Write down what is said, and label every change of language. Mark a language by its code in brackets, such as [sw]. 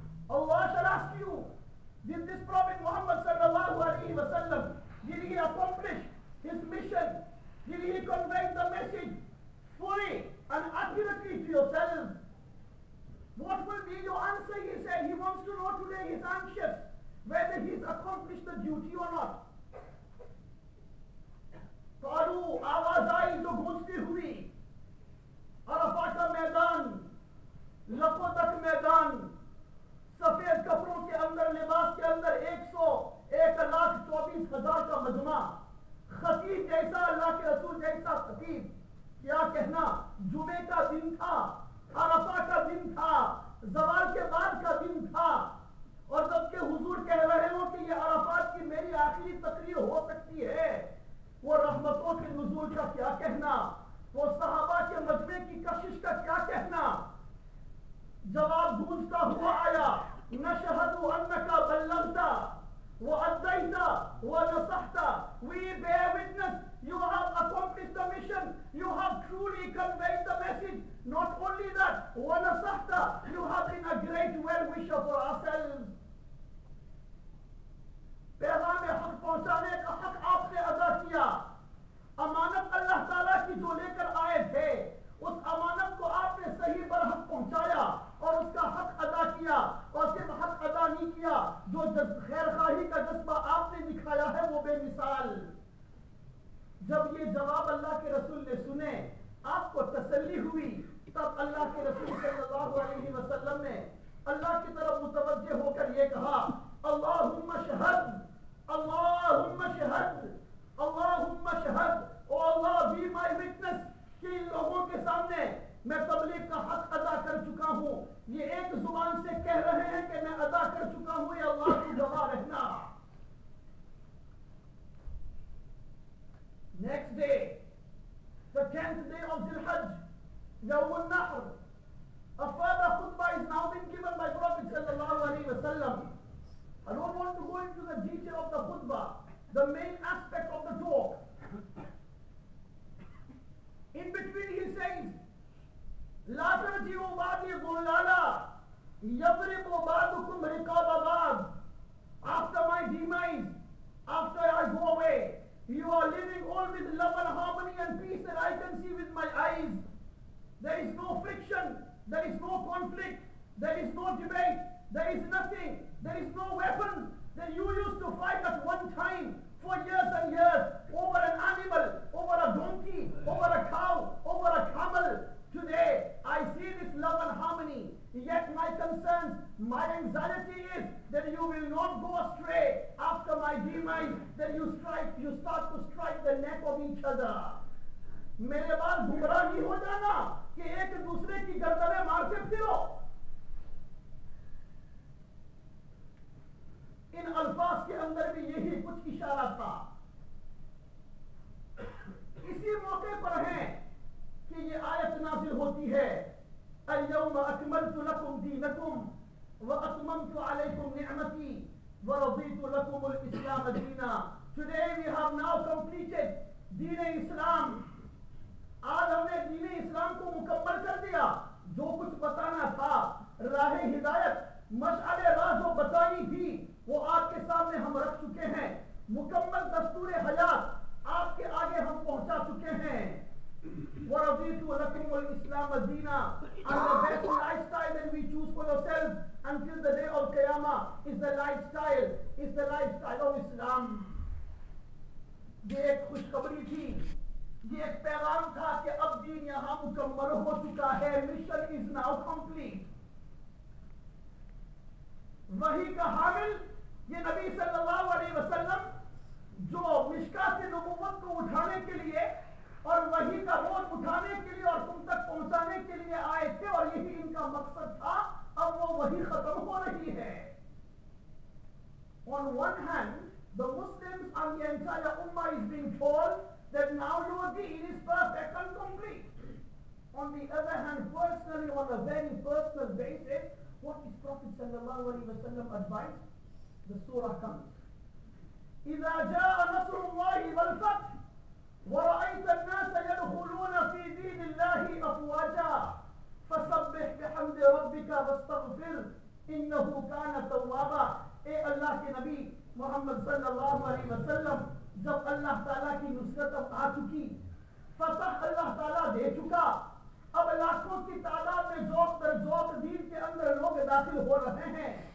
[en] Allah shall ask you, did this Prophet Muhammad sallallahu alayhi wa sallam, did he accomplish his mission? Did he convey the message fully and accurately to yourself? What will be your answer? He said he wants to know today, he's anxious whether he's accomplished the duty or not. [ur] Karu awazai jo ghusti hui, Arafat ka maidan, Lakhon tak maidan, safed kapron ke andar, libas ke andar, 124,000 ka majma, khateeb jaisa Allah ke rasool jaisa khateeb, kya kehna, jume ka din tha, عرفہ کا دن تھا, زوال کے بعد کا دن تھا, اور جب کے حضور کہہ رہے ہو کہ یہ عرفات کی میری آخری تقریر ہو سکتی ہے, وہ رحمتوں کے نزول کا کیا کہنا, وہ صحابہ کے مجمع کی کشش کا کیا کہنا. جواب گونجتا ہوا آیا, [ar] نشہد انک بلغت وادیت ونصحت. [en] We bear witness, you have accomplished the mission, you have truly conveyed the message. Not only that, [ar] وَنَصَحْتَ, [en] you have been a great well-wisher for ourselves. [ur] پیغامِ حق پہنچانے کا حق آپ نے ادا کیا. امانت اللہ تعالیٰ کی جو لے کر آئے تھے, اس امانت کو آپ نے صحیح پر حق پہنچایا اور اس کا حق ادا کیا. اور صرف حق ادا نہیں کیا, جو خیرخواہی کا جذبہ آپ نے دکھایا ہے وہ بے مثال. جب یہ جواب اللہ کے رسول نے سنے, آپ کو تسلی ہوئی, تب اللہ کے رسول صلی اللہ علیہ وسلم نے اللہ کی طرف متوجہ ہو کر یہ کہا, [ar] اللہم شہد, اللہم شہد, اللہم شہد, [en] O Allah be my witness, [ur] کہ ان لوگوں کے سامنے میں تبلیغ کا حق ادا کر چکا ہوں. یہ ایک زبان سے کہہ رہے ہیں کہ میں ادا کر چکا ہوں, یہ اللہ کی گواہ رہنا. [en] Next day, the 10th day of Zilhajj, Yawm al-Nahr, a further khutbah is now been given by Prophet sallallahu alayhi wa sallam. I don't want to go into the detail of the khutbah, the main aspect of the talk. In between he says, [ar] لَا تَرْجِعُوا بَعْدِي ظُلَّالَا يَضْرِبُوا بَعْدُكُمْ رِقَابَ بَعْدُ. [en] After my demise, after I go away, you are living all with love and harmony and peace that I can see with my eyes. There is no friction, there is no conflict, there is no debate, there is nothing, there is no weapon that you used to fight at one time for years and years over an animal, over a donkey, over a cow, over a camel. Today, I see this love and harmony, yet my concerns, my anxiety is that you will not go astray after my demise, that you start to strike the neck of each other. [ur] میرے بعد گمراہ نہیں ہو جانا کہ ایک دوسرے کی گردنیں مار سکتے ہو. ان الفاظ کے اندر بھی یہی کچھ اشارہ تھا. اسی موقع پر ہیں کہ یہ آیت نازل ہوتی ہے, [ar] الْيَوْمَ أَكْمَلْتُ لَكُمْ دِينَكُمْ وَأَتْمَمْتُ عَلَيْكُمْ نِعْمَتِي وَرَضِيتُ لَكُمُ الْإِسْلَامَ دِينَا. [en] Today we have now completed دین-اسلام. [ur] آج ہم نے دین اسلام کو مکمل کر دیا. جو کچھ بتانا تھا, راہ ہدایت, مشعل راہ جو بتانی تھی, وہ آپ کے سامنے ہم رکھ چکے ہیں. مکمل دستور حیات आपके आगे हम पहुंचा चुके हैं [ar] ورضيت لكم الإسلام دينا [en] and the best lifestyle that we choose for yourselves until the day of Qiyamah is the lifestyle of Islam. [ur] یہ ایک خوشخبری تھی یہ ایک پیغام تھا کہ اب دین یہاں مکمل ہو چکا ہے [en] mission is now complete. [ur] وحی کا حامل یہ نبی صلی اللہ علیہ وسلم جو مشکہ سے نبوت کو اٹھانے کے لیے اور وحی کا بول اٹھانے کے لیے اور تم تک پہنچانے کے لیے آئے تھے اور یہی ان کا مقصد تھا اب وہ وحی ختم ہو رہی ہے [en] On one hand, the Muslims and the entire Ummah is being told that now your deen is perfect and complete. On the other hand, personally, on a very personal basis, what is Prophet sallallahu alayhi wa sallam advice? The surah comes. [ar] إِذَا جَاءَ نَصْرُ اللَّهِ وَالْفَتْحِ ورأيت الناس يدخلون في دين الله أفواجا فسبح بحمد ربك واستغفر إنه كان توابا [ur] اے اللہ کے نبی محمد صلی اللہ علیہ وسلم جب اللہ تعالیٰ کی نصرت اب آ چکی فتح اللہ تعالیٰ دے چکا اب لاکھوں کی تعداد میں جوک در جوک دین کے اندر لوگ داخل ہو رہے ہیں